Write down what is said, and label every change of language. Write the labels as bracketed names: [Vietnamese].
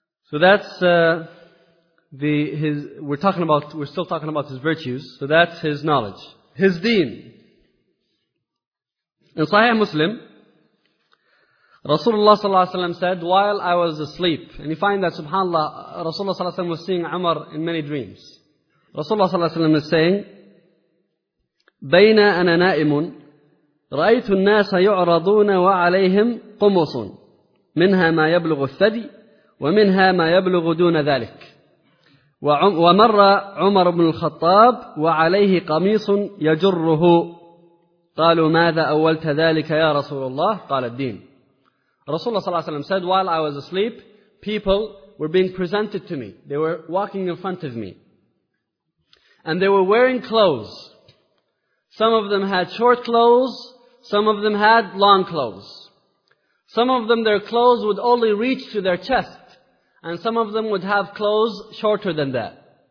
[English] So that's we're still talking about his virtues. So that's his knowledge, his deen. In Sahih Muslim, Rasulullah sallallahu alaihi wasallam said, "While I was asleep," and you find that Subhanallah, Rasulullah sallallahu alaihi wasallam was seeing Umar in many dreams. [Arabic] Rasulullah sallallahu alaihi wasallam [English] is saying, [Arabic] بين أنا نائم رأيت الناس يعرضون وعليهم قمص منها ما يبلغ الثدي ومنها ما يبلغ دون ذلك ومر عمر بن الخطاب وعليه قميص يجره قالوا ماذا أولت ذلك يا رسول الله قال الدين. رسول الله صلى الله عليه وسلم [English] said, while I was asleep, people were being presented to me, they were walking in front of me, and they were wearing clothes. Some of them had short clothes, some of them had long clothes. Some of them, their clothes would only reach to their chest, and some of them would have clothes shorter than that.